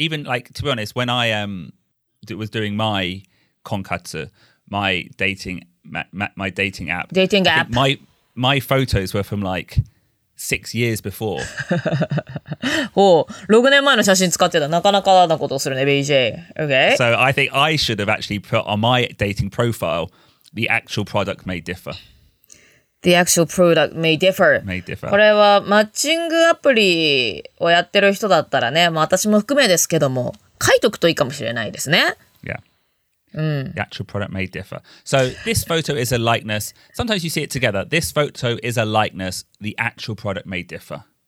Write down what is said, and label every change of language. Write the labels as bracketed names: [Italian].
[English] Yeah. Even like, to be honest, when I was doing my konkatsu, my dating app. Dating app. My photos were from like 6 years before. [Japanese] ほう。6年前の写真使ってた。なかなかなことをするね、BJ。 [English] Okay. So I think I should have actually put on my dating profile, the actual product may differ. The actual product may differ. May differ. [Japanese] これはマッチングアプリをやってる人だったらね、まあ、私も含めですけども、書いとくといいかもしれないですね。 [English] Yeah.、 [Japanese] うん、 [English] The actual product may differ. So, this photo is a likeness. Sometimes you see it together. This photo is a likeness. The actual product may differ.